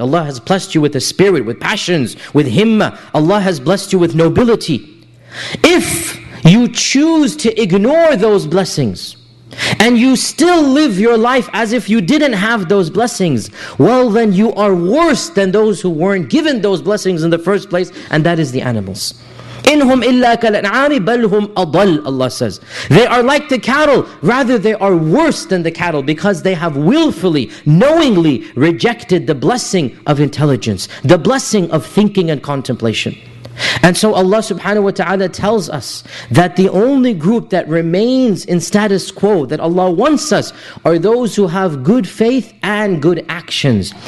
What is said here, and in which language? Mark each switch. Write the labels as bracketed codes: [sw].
[en] Allah has blessed you with a spirit, with passions, with himma. Allah has blessed you with nobility. If you choose to ignore those blessings, and you still live your life as if you didn't have those blessings, well then you are worse than those who weren't given those blessings in the first place, and that is the animals. [ar] إِنْهُمْ إِلَّا كَالْأَنْعَامِ بَلْهُمْ أَضَلُّ, [en] Allah says. They are like the cattle, rather they are worse than the cattle because they have willfully, knowingly rejected the blessing of intelligence, the blessing of thinking and contemplation. And so Allah subhanahu wa ta'ala tells us that the only group that remains in status quo that Allah wants us are those who have good faith and good actions.